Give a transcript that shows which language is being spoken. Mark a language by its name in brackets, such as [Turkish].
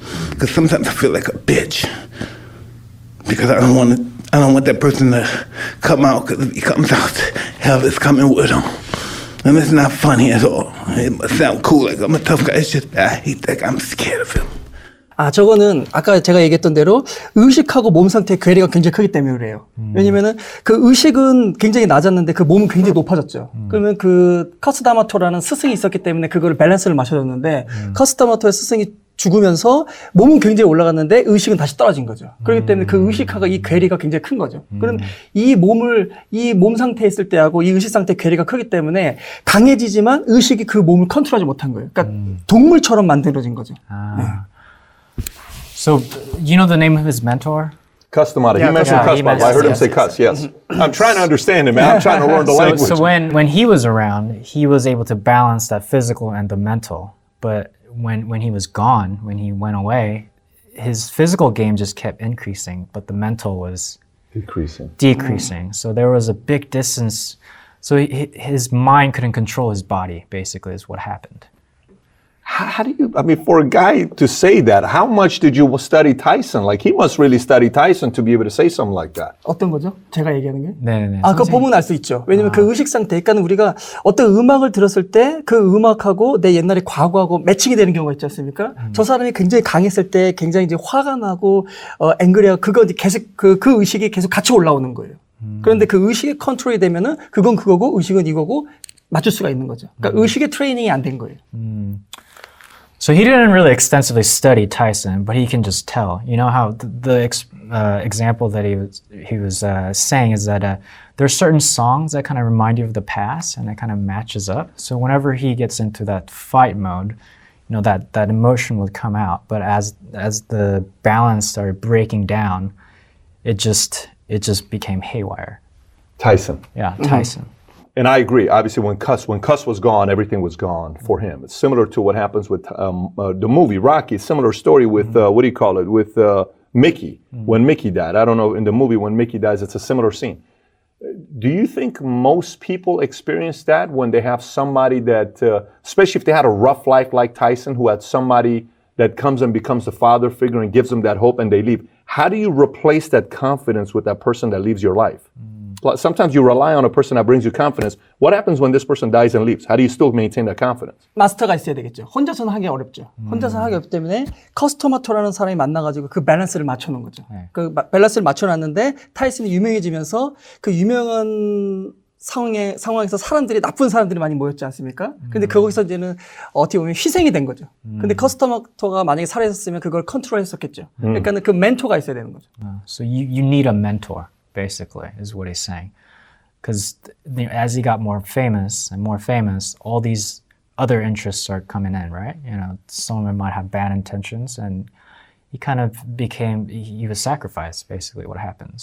[English] Because sometimes I feel like a bitch. Because I don't want that person to come out, because if he comes out, hell is coming with him. And it's not funny at all. It must sound cool, like I'm a tough guy. It's just that I hate that guy. I'm scared of him. [Korean] 아, 저거는 아까 제가 얘기했던 대로 의식하고 몸 상태의 괴리가 굉장히 크기 때문에 그래요. 왜냐면은 그 의식은 굉장히 낮았는데 그 몸은 굉장히 높아졌죠. 그러면 그 커스다마토라는 스승이 있었기 때문에 그걸 밸런스를 맞춰줬는데 커스다마토의 스승이 죽으면서 몸은 굉장히 올라갔는데 의식은 다시 떨어진 거죠. 그렇기 때문에 그 의식하고 이 괴리가 굉장히 큰 거죠. 그럼 이 몸 상태에 있을 때하고 이 의식 상태의 괴리가 크기 때문에 강해지지만 의식이 그 몸을 컨트롤하지 못한 거예요. 그러니까 동물처럼 만들어진 거죠. 아. 네. [English] So, you know the name of his mentor? Customata. Yeah, he mentioned Customata. I heard him say Cus, yes. I'm trying to understand him, man. I'm trying to learn the language. So when he was around, he was able to balance that physical and the mental. But when he was gone, when he went away, his physical game just kept increasing, but the mental was decreasing. So there was a big distance. So his mind couldn't control his body, basically, is what happened. How do you, I mean, for a guy to say that, how much did you study Tyson? Like, he must really study Tyson to be able to say something like that. [Korean] 어떤 거죠? 제가 얘기하는 게? 네네네. 아, 선생님. 그거 보면 알 수 있죠. 왜냐면 그 의식 상태, 그러니까 우리가 어떤 음악을 들었을 때 그 음악하고 내 옛날의 과거하고 매칭이 되는 경우가 있지 않습니까? 저 사람이 굉장히 강했을 때 굉장히 이제 화가 나고, 앵그리하고, 그거 이제 계속 그 의식이 계속 같이 올라오는 거예요. 그런데 그 의식이 컨트롤이 되면은 그건 그거고 의식은 이거고 맞출 수가 있는 거죠. 그러니까 의식의 트레이닝이 안 된 거예요. [English] So he didn't really extensively study Tyson, but he can just tell. You know how the example that he was saying is that there are certain songs that kind of remind you of the past, and it kind of matches up. So whenever he gets into that fight mode, you know, that emotion would come out. But as the balance started breaking down, it just it just became haywire. Tyson. Yeah, Tyson. Mm-hmm. And I agree. Obviously, when Cuss was gone, everything was gone for him. It's similar to what happens with the movie Rocky. Similar story with Mickey. Mm-hmm. When Mickey died, I don't know, in the movie when Mickey dies, it's a similar scene. Do you think most people experience that when they have somebody that, especially if they had a rough life like Tyson, who had somebody that comes and becomes a father figure and gives them that hope and they leave? How do you replace that confidence with that person that leaves your life? Mm. Sometimes you rely on a person that brings you confidence. What happens when this person dies and leaves? How do you still maintain that confidence? [Korean] 마스터가 있어야 되겠죠. 혼자서는 하기 어렵죠. 혼자서 하기 어렵기 때문에 커스터마터라는 사람이 만나가지고 그 밸런스를 맞춰놓은 거죠. 네. 그 밸런스를 맞춰놨는데 타이슨이 유명해지면서 그 유명한 상황에서 사람들이 나쁜 사람들이 많이 모였지 않습니까? 근데 거기서 이제는 어떻게 보면 희생이 된 거죠. 근데 커스터마터가 만약에 살아있었으면 그걸 컨트롤했었겠죠. 그러니까는 그 멘토가 있어야 되는 거죠. [English] So you need a mentor, basically, is what he's saying. Because as he got more famous and more famous, all these other interests are coming in, right? You know, some of them might have bad intentions, and he kind of became, he was sacrificed, basically, what happened.